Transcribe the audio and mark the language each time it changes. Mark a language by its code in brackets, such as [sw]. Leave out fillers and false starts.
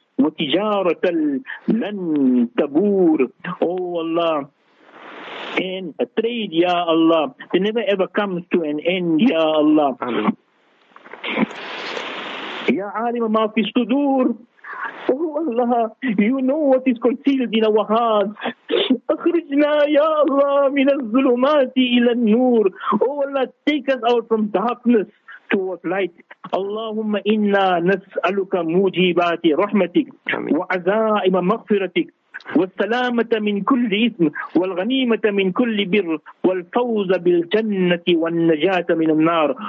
[ar] Wa tijaratan lan tabur. [en] Oh Allah. And a trade, Ya Allah, that never ever comes to an end, Ya Allah. Amen. [ar] Ya alim ma fi sudur. [en] Oh Allah, you know what is concealed in our hearts. [ar] أخرجنا يا الله من الظلمات إلى النور. [en] Oh Allah, take us out from darkness towards light. [ar] اللهم إنا نسألك موجبات رحمتك وعزائم مغفرتك والسلامة من كل إثم والغنيمة من كل بر والفوز بالجنة والنجاة من النار.